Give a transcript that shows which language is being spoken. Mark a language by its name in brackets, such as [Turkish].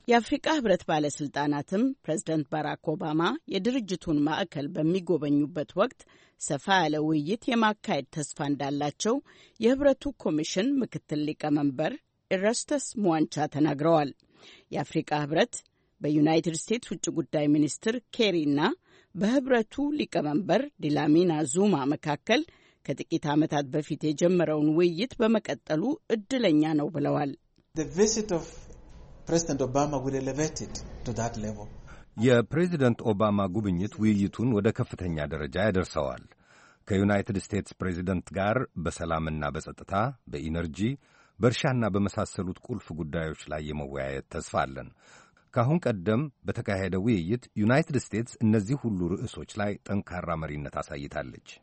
[Amharic] የአፍሪካ ህብረት ባለስልጣናትም ፕሬዝደንት ባራክ ኦባማ የድርጅቱን ማዕከል በሚጎበኙበት ወቅት ሰፋ ያለ ውይይት የማካሄድ ተስፋ እንዳላቸው የህብረቱ ኮሚሽን ምክትል ሊቀመንበር ኢረስተስ ሙዋንቻ ተናግረዋል። የአፍሪካ ህብረት በዩናይትድ ስቴትስ ውጭ ጉዳይ ሚኒስትር ኬሪና በህብረቱ ሊቀመንበር ዲላሚና ዙማ መካከል ከጥቂት አመታት በፊት የጀመረውን ውይይት በመቀጠሉ እድለኛ ነው ብለዋል። [English] The visit of President Obama would elevate it to that level. [Amharic] የፕሬዚደንት ኦባማ ጉብኝት ውይይቱን ወደ ከፍተኛ ደረጃ ያደርሰዋል። ከዩናይትድ ስቴትስ ፕሬዚደንት ጋር በሰላምና በጸጥታ፣ በኢነርጂ፣ በርሻና በመሳሰሉት ቁልፍ ጉዳዮች ላይ የመወያየት ተስፋ አለን። ካሁን ቀደም በተካሄደው ውይይት ዩናይትድ ስቴትስ እነዚህ ሁሉ ርዕሶች ላይ ጠንካራ መሪነት አሳይታለች።